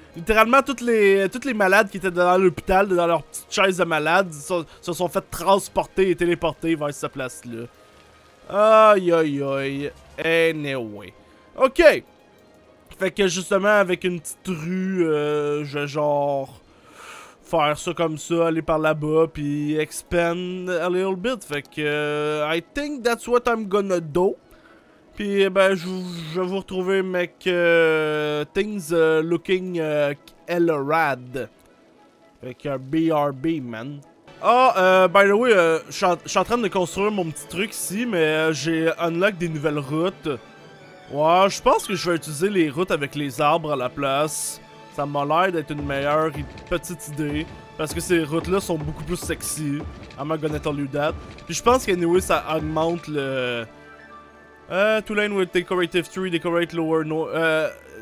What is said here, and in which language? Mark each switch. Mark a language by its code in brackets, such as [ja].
[fr] Littéralement, toutes les malades qui étaient dans l'hôpital, dans leur petite chaise de malade, se sont fait transporter et téléporter vers cette place-là. Aïe, aïe, aïe. Anyway. Ok. Fait que justement, avec une petite rue, je vais genre faire ça comme ça, aller par là-bas, puis [en] expand a little bit. [fr] Fait que, [en] I think that's what I'm gonna do. [fr] Puis, ben, je vais vous retrouver, mec, [en] things looking El Rad. [fr] Fait que, [en] BRB, man. By the way, [fr] je suis en train de construire mon petit truc ici, mais j'ai unlock des nouvelles routes. Ouais, je pense que je vais utiliser les routes avec les arbres à la place. Ça m'a l'air d'être une meilleure petite idée. Parce que ces routes-là sont beaucoup plus sexy. [en] I'm gonna tell you that. [fr] Puis je pense qu'anyway, ça augmente le... [en] two lane with decorative tree, decorate lower noise...